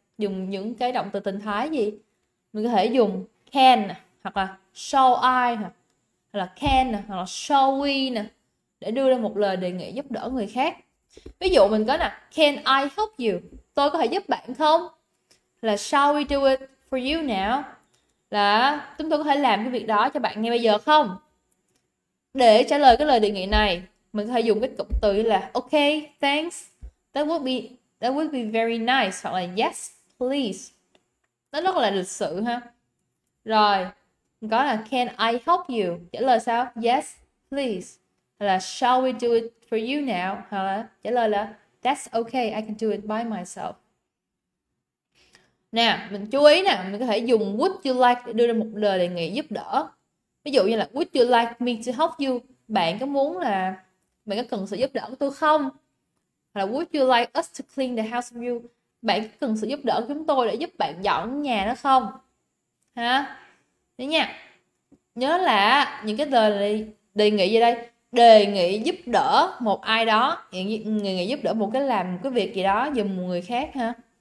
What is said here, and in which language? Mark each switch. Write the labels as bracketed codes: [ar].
[vi] Dùng những cái động từ tình thái gì? Mình có thể dùng can hoặc là shall I hoặc là can hoặc là shall we nè để đưa ra một lời đề nghị giúp đỡ người khác. Ví dụ mình có nè, [en] can I help you? [vi] Tôi có thể giúp bạn không? [en] Là shall we do it for you now? [vi] Là chúng tôi có thể làm cái việc đó cho bạn ngay bây giờ không? Để trả lời cái lời đề nghị này, mình có thể dùng cái cụm từ là [en] ok, thanks, that would be very nice, [vi] hoặc là [en] yes, please. [vi] Nó rất là lịch sự ha. Rồi, mình có là [en] can I help you? [vi] Trả lời sao? [en] Yes, please. [vi] Hoặc là [en] shall we do it for you now? [vi] Hoặc là trả lời là [en] that's okay, I can do it by myself. [vi] Nè, mình chú ý nè, mình có thể dùng would you like để đưa ra một lời đề nghị giúp đỡ. Ví dụ như là [en] would you like me to help you? [vi] Bạn có muốn là bạn có cần sự giúp đỡ của tôi không? Hoặc là [en] would you like us to clean the house for you? [vi] Bạn có cần sự giúp đỡ của chúng tôi để giúp bạn dọn nhà nó không? Hả? Nhớ nha. Nhớ là những cái lời đề nghị gì đây? Đề nghị giúp đỡ một ai đó, người giúp đỡ một cái làm một cái việc gì đó giùm một người khác ha.